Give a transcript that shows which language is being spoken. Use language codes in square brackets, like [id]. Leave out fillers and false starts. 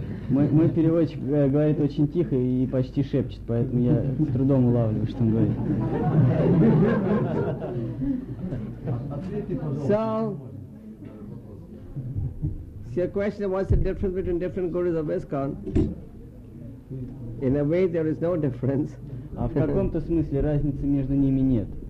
[ru] Мой переводчик говорит очень тихо и почти шепчет, поэтому я с трудом улавливаю, что он говорит. [en] So, your question, what's the difference between different gurus of ISKCON? In a way, there is no difference. [ru] В каком-то смысле разницы между ними нет.